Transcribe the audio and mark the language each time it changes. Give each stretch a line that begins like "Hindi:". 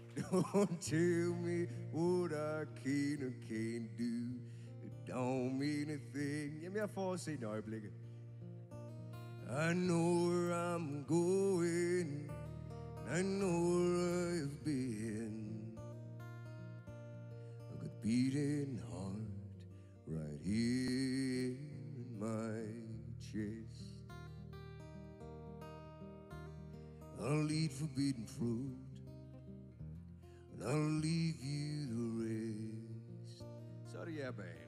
English: Don't tell me what I can or can't do. It don't mean a thing.
Danish: Jamen, jeg får se et øjeblik.
English: I know where I'm going. I know where I've been. I've got a beating heart right here in my chest. I'll eat forbidden fruit. I'll leave you the rest. Sorry, yeah, babe.